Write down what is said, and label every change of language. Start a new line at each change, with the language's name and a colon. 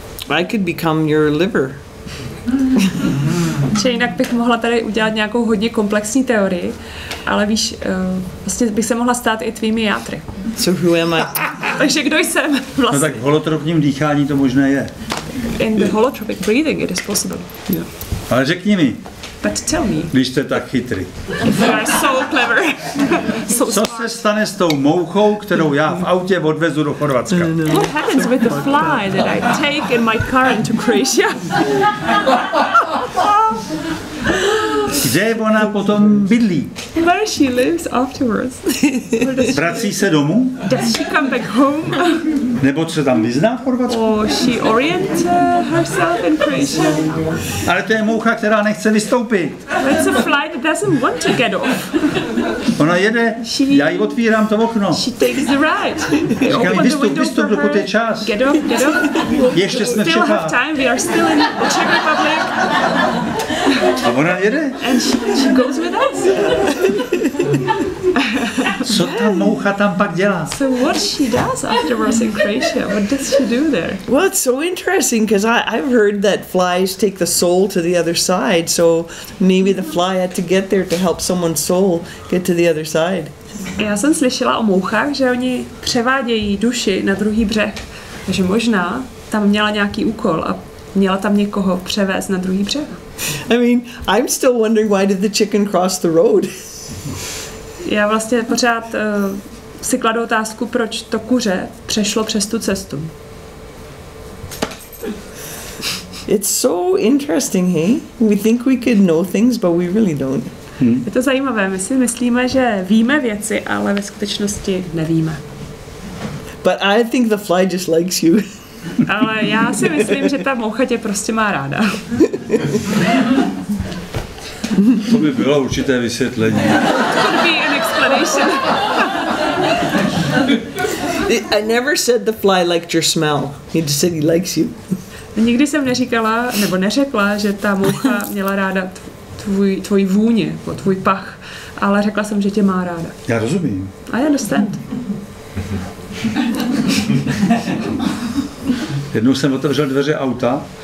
English: I could become your liver.
Czech: Že jinak bych mohla tady udělat nějakou hodně komplexní teorii, ale víš, vlastně bych se mohla stát i tvými játry.
English: So who am I?
Czech: Takže kdo jsem vlastně? No tak v holotropním dýchání to možné je.
English: In the holotropic breathing it is possible.
Czech: Yeah. Ale řekni mi.
English: But tell me.
Czech: Když jste tak chytrý.
English: You are so clever. So
Czech: co se stane s tou mouchou, kterou já v autě odvezu do Chorvatska?
English: What happens with the fly that I take in my car into Croatia?
Czech: Kde ona potom bydlí?
English: Where she lives afterwards?
Czech: Vrací se domů?
English: Does she come back home?
Czech: Nebo se tam vyzná v Chorvatsku?
English: Or she orient herself in Croatia?
Czech: Ale to je moucha, která nechce vystoupit.
English: It's a fly that doesn't want to get off.
Czech: Ona jede, já jí otvírám to okno.
English: She takes the ride.
Czech: Říkali, vystup, dokud je čas.
English: Get off, get off.
Czech: Ještě jsme
English: still have time, we are still in the Czech Republic.
Czech: A ona jede.
English: And she goes with us.
Czech: Co ta moucha tam pak dělá?
English: So what she does afterwards in Croatia? What does she do there? Well, it's so interesting because I've heard that flies take the soul to the other side. So maybe the fly had to get there to help someone's soul get to the other side.
Czech: Já jsem slyšela o mouchách, že oni převádějí duši na druhý břeh. že možná tam měla nějaký úkol a měla tam někoho převést na druhý břeh.
English: I mean, I'm still wondering why did the chicken cross the road.
Czech: Já vlastně pořád si kladu otázku, proč to kuře přešlo přes tu cestu.
English: It's so interesting, hey? We think we could know things, but we really don't.
Czech: Je to zajímavé, my si myslíme, že víme věci, ale ve skutečnosti nevíme.
English: But I think the fly just likes you.
Czech: Ale já si myslím, že ta moucha tě prostě má ráda. To by bylo určité vysvětlení.
English: Could be an explanation. I never said the fly liked your smell. He just said he likes you.
Czech: Nikdy jsem neříkala, nebo neřekla, že ta moucha měla ráda tvoji vůně, tvůj pach, ale řekla jsem, že tě má ráda. Já rozumím.
English: I understand.
Czech: Jednou jsem otevřel dveře auta.